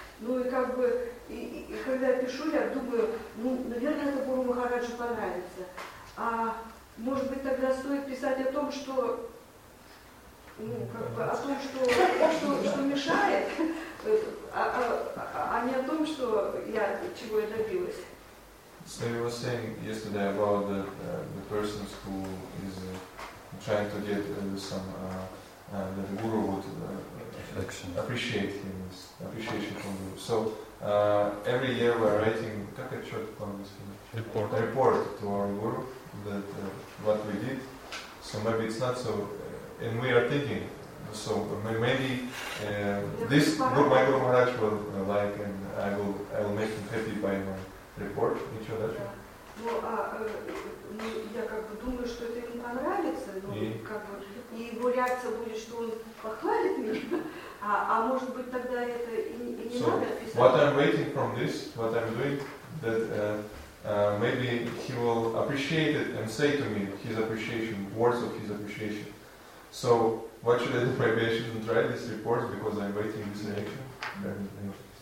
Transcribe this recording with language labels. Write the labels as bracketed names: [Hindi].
[Russian] Ну и как бы, и когда я пишу, я думаю, ну, наверное, это Гуру Махараджу понравится. А может быть, тогда стоит писать о том, что, ну, как бы, о том, что мешает, а не о том, что я, чего я добилась. [English] So you were saying yesterday about the persons who is trying to get that the guru would appreciate him, appreciation from the guru. So every year we're writing a report to our guru that what we did. So maybe it's not so, and we are thinking So maybe this my Guru Maharaj will like, and I will make him happy by my report introduction. [Russian] Ну, а я как бы думаю, что это ему понравится, но как бы и его реакция будет, что он похвалит меня, а может быть тогда это и не надо писать. [English] What I'm waiting from this, what I'm doing, that maybe he will appreciate it and say to me his appreciation, words of his appreciation. So what should I do? Maybe I shouldn't write this report because I'm waiting this reaction.